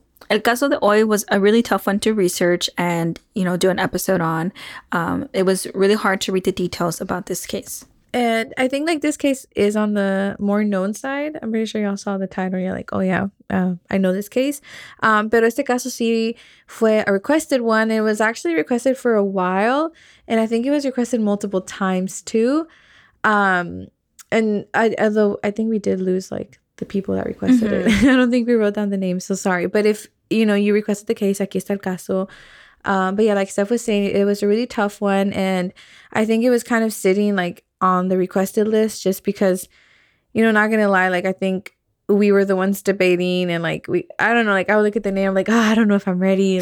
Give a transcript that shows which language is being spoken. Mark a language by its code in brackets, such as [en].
[es] El caso de hoy [en] was a really tough one to research and, you know, do an episode on. It was really hard to read the details about this case. And I think like this case is on the more known side. I'm pretty sure y'all saw the title. You're like, oh yeah, I know this case. [es] Pero este caso sí fue [en] a requested one. It was actually requested for a while. And I think it was requested multiple times too. And I think we did lose like the people that requested it. I don't think we wrote down the name, so sorry. But if, you know, you requested the case, [es] aquí está el caso. [en] But yeah, like Steph was saying, it was a really tough one. And I think it was kind of sitting like on the requested list just because, you know, not going to lie, like I think we were the ones debating and like we, I don't know, like I would look at the name like, oh, I don't know if I'm ready.